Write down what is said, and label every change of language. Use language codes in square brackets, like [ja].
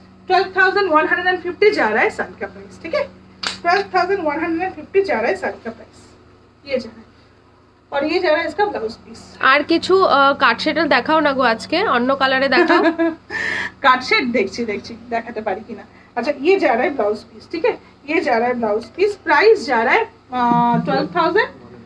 [hi] 12,150 जा रहा है साड़ी का प्राइस, ठीक है, 12,150 जा रहा है साड़ी का प्राइस, ये जा रहा है। और ये जा रहा है इसका ब्लाउज पीस। [bn] আর কিছু কাট শেড দেখাও না গো আজকে, অন্য কালারে দেখাও। কাট শেড দেখছি দেখছি দেখাতে পারি কিনা। [hi] আচ্ছা ये जा रहा है ब्लाउज पीस, ठीक है, ये जा रहा है ब्लाउज पीस, प्राइस जा रहा है 12,150।